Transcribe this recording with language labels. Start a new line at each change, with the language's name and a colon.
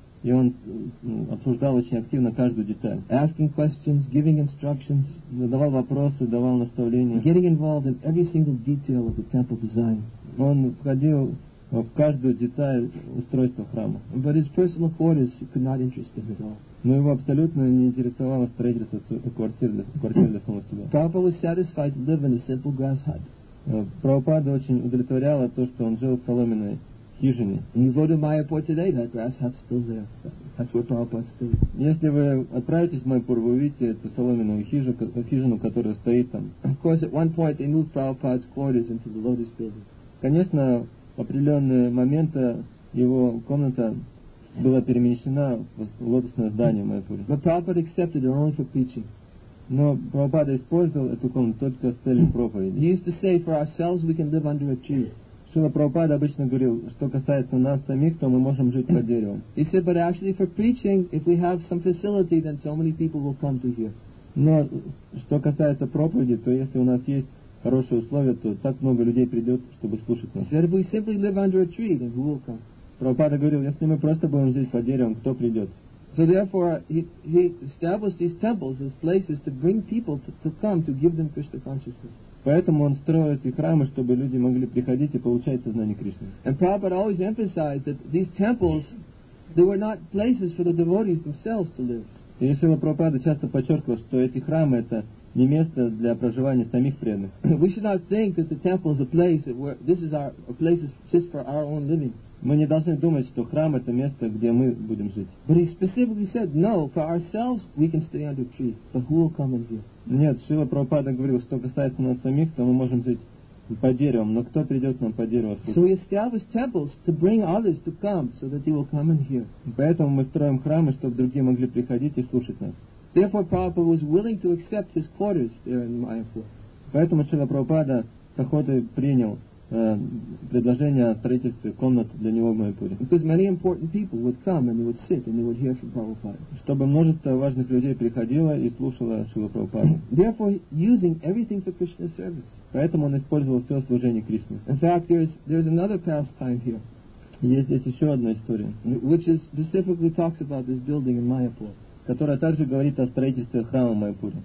Russian: И он обсуждал очень активно каждую деталь.
English: Asking questions, giving instructions,
Russian: задавал вопросы, давал наставления.
English: Getting involved in every single detail of the temple design.
Russian: Он входил в каждую деталь устройства храма.
English: But his personal quarters could not interest him at all.
Russian: Но его абсолютно не интересовало строительство квартиры для самого себя.
English: Prabhupada was satisfied to live in a simple grass hut.
Russian: Прабхупада очень удовлетворяло то, что он жил в соломенной хижине.
English: You go to Mayapur today, that grass hut's still there. That's where Prabhupada stayed.
Russian: Если вы отправитесь в Майяпур, вы увидите эту соломенную хижину, которая стоит там.
English: Of course, at one point they moved Prabhupada's quarters into the lotus building.
Russian: Конечно, в определенные моменты его комната была перемещена в лотосное здание в Майяпуре.
English: But Prabhupada accepted it only for preaching.
Russian: Но Прабхупада использовал эту комнату только с целью проповеди.
English: He used to say, for ourselves we can live under a tree.
Russian: Шрила Прабхупада обычно говорил, что касается нас самих, то мы можем жить под деревом.
English: He said, but actually for preaching, if we have some facility, then so many people will come to hear.
Russian: Но что касается проповеди, то если у нас есть хорошие условия, то так много людей придет, чтобы слушать нас.
English: He said, if we simply live under a tree, then who will come?
Russian: Прабхупада говорил, если мы просто будем жить под деревом, кто придет?
English: So therefore, he established these temples as places to bring people to come, to give them Krishna consciousness.
Russian: Поэтому он строил эти храмы, чтобы люди могли приходить и получать сознание Кришны.
English: And Prabhupada always emphasized that these temples, they were not places for the devotees themselves to live.
Russian: И Шрила Прабхупада часто подчеркивал, что эти храмы это не место для проживания самих преданных.
English: We should not think that the temple is a place where this is our a place just for our own living.
Russian: Мы не должны думать, что храм это место, где мы будем жить.
English: But he specifically said, no, for ourselves we can stay under tree, but who will come and hear?
Russian: Нет, Шрила Прабхупада говорил, что касается нас самих, то мы можем жить под деревом, но кто придет нам под дерево?
English: So we establish temples to bring others to come, so that they will come and hear.
Russian: Поэтому мы строим храмы, чтобы другие могли приходить и слушать нас.
English: Therefore, Prabhupada was willing to accept his quarters there in Mayapur.
Russian: Поэтому Шрила Прабхупада с охотой принял предложение о строительстве комнат для него в Майпуре.
English: Because many important people would come and they would sit and they would hear from Prabhupada.
Russian: Чтобы множество важных людей приходило и слушало Шрилу Прабхупаду.
English: Therefore, using everything for Krishna's service.
Russian: Поэтому он использовал все служение Кришне.
English: In fact, there's another pastime here.
Russian: Есть здесь еще одна история,
English: which is specifically talks about this building in Mayapur.
Russian: Которая также говорит о строительстве храма в Майпуре.